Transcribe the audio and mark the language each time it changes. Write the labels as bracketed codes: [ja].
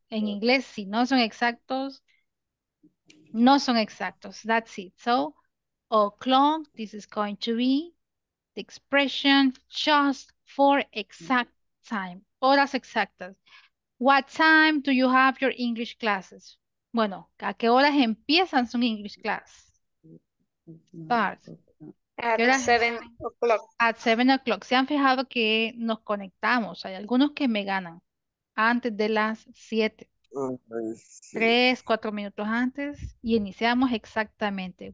[es] En inglés, si no son exactos, no son exactos. [en] That's it. So, o'clock, this is going to be the expression just for exact time. [es] Horas exactas. [en] What time do you have your English classes? [es] Bueno, ¿a qué horas empiezan su [en] English class? Start. At 7 o'clock. [es] ¿Se han fijado que nos conectamos? Hay algunos que me ganan antes de las 7. 3, 4 minutos antes y iniciamos exactamente.